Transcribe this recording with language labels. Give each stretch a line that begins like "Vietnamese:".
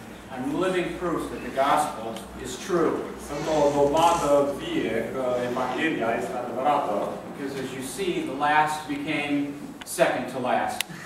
English: I'm living proof that the gospel is true.
Romanian: Sunt o dovadă vie că Evanghelia este adevărată.
English: Because as you see, the last became second to last.